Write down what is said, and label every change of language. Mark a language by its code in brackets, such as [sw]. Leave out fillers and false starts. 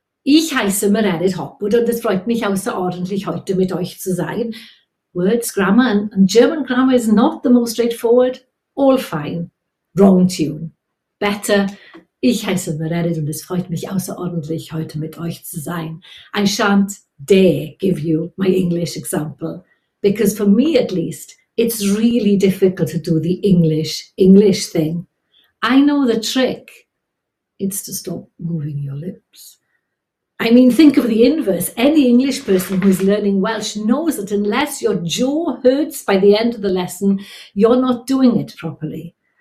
[de] Ich heiße Mareryd Hopwood und es freut mich außerordentlich heute mit euch zu sein. [en] Words, grammar, and German grammar is not the most straightforward. All fine. Wrong tune. [de] Better, ich heiße Mareryd und es freut mich außerordentlich heute mit euch zu sein. [en] I shan't dare give you my English example, because for me at least, it's really difficult to do the English thing. I know the trick. It's to stop moving your lips. I mean, think of the inverse. Any English person who's learning Welsh knows that unless your jaw hurts by the end of the lesson, you're not doing it properly.